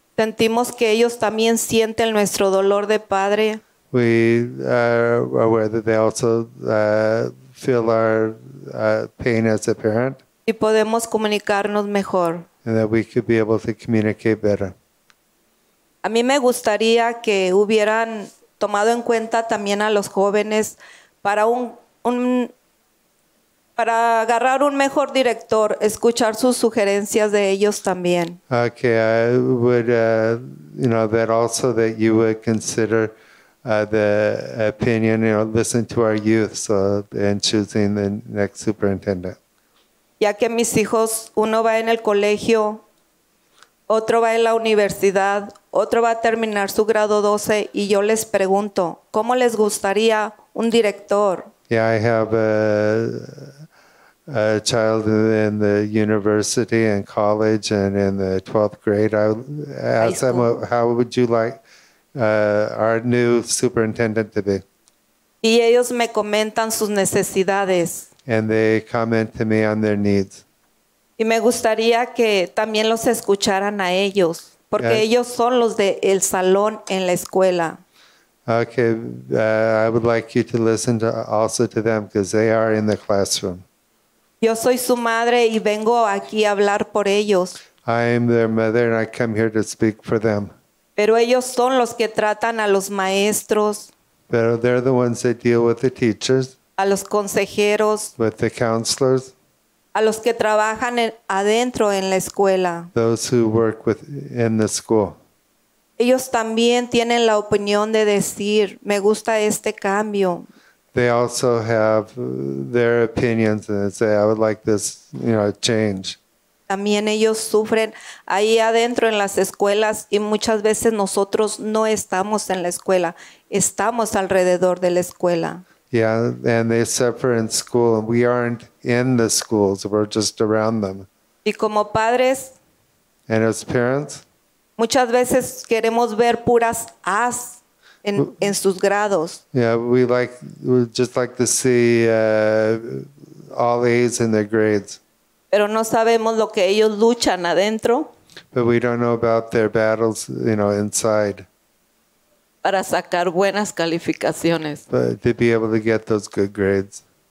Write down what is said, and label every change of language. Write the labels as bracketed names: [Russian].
[Spanish] Sentimos que ellos también sienten nuestro dolor de padre. [English] We are aware that they also feel our pain as a parent. [Spanish] Y podemos comunicarnos mejor. [English] And that we could be able to communicate better. [Spanish] A mí me gustaría que hubieran tomado en cuenta también a los jóvenes para para agarrar un mejor director, escuchar sus sugerencias de ellos también. [English] Okay, I would, that also that you would consider the opinion, listen to our youth in choosing the next superintendent. [Spanish] Ya que mis hijos, uno va en el colegio, otro va en la universidad, otro va a terminar su grado 12 y yo les pregunto, ¿cómo les gustaría un director? [English] Yeah, I have a child in the university and college and in the 12th grade. I asked them, how would you like our new superintendent to be? [Spanish] Y ellos me comentan sus necesidades. [English] And they comment to me on their needs. [Spanish] Y me gustaría que también los escucharan a ellos, porque ellos son los de el salón en la escuela. [English] Okay, I would like you to listen to also to them because they are in the classroom. [Spanish] Yo soy su madre y vengo aquí a hablar por ellos. [English] I am their mother and I come here to speak for them. [Spanish] Pero ellos son los que tratan a los maestros. [English] But they're the ones that deal with the teachers. [Spanish] A los consejeros. [English] With the counselors. [Spanish] A los que trabajan adentro en la escuela. [English] Those who work in the school. [Spanish] Ellos también tienen la opinión de decir, me gusta este cambio. [English] They also have their opinions and say, I would like this, change. [Spanish] También ellos sufren ahí adentro en las escuelas y muchas veces nosotros no estamos en la escuela. Estamos alrededor de la escuela. [English] Yeah, and they suffer in school. We aren't in the schools. We're just around them. [Spanish] Y como padres. [English] And as parents. [Spanish] Muchas veces queremos ver puras A's en sus grados. [English] Yeah, we just like to see all A's in their grades. [Spanish] Pero no sabemos lo que ellos luchan adentro. [English] But we don't know about their battles, inside. [Spanish] Para sacar buenas calificaciones. [English] But to be able to get those good grades.